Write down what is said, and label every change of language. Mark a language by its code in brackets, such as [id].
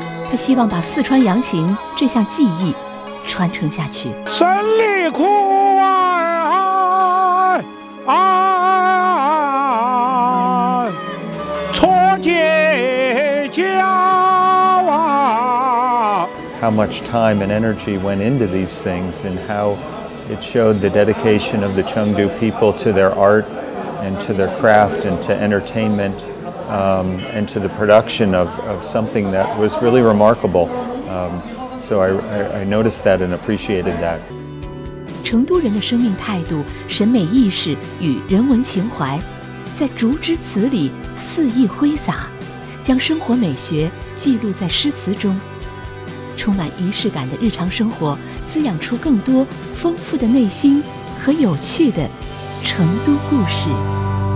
[zh] 他希望把四川扬琴这项技艺传承下去。神里哭啊啊啊，错解教啊。 [en] How much time and energy went into these things, and howIt showed the dedication of the Chengdu people to their art and to their craft and to entertainment and to the production of something that was really remarkable. So I noticed that and appreciated that. [zh] 成都人的生命态度、审美意识与人文情怀在竹枝词里肆意挥洒，将生活美学记录在诗词中。充满仪式感的日常生活滋养出更多丰富的内心和有趣的成都故事。